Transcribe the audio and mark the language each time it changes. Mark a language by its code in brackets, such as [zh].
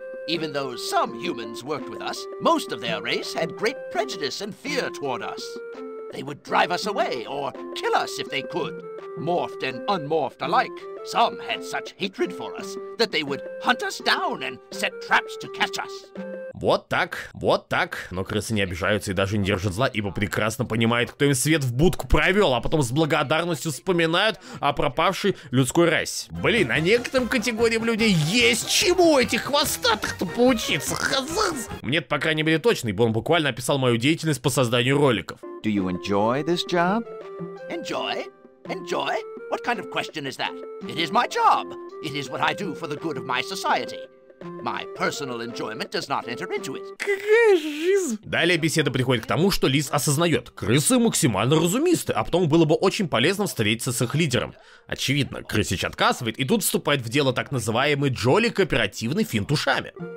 [en] Even though some humans worked with us, most of their race had great prejudice and fear toward us. They would drive us away or kill us if they could. Morphed and unmorphed alike, some had such hatred for us that they would hunt us down and set traps to catch us. [ru] Вот так, вот так. Но крысы не обижаются и даже не держат зла, ибо прекрасно понимают, кто им свет в будку провел, а потом с благодарностью вспоминают о пропавшей людской расе. Блин, а некоторым категориям людей есть чему этих хвостатых-то поучиться, хазаз! Мне-то, по крайней мере, точно, ибо он буквально описал мою деятельность по созданию роликов. [en] Do you enjoy this job? Enjoy? Enjoy? What kind of question is that? It is my job. It is what I do for the good of my society. My personal enjoyment does not enter into it. [ru] Какая жизнь! Далее беседа приходит к тому, что Лис осознает, крысы максимально разумисты, а потом было бы очень полезно встретиться с их лидером. Очевидно, крысич отказывает, и тут вступает в дело так называемый Джоли кооперативный финт ушами.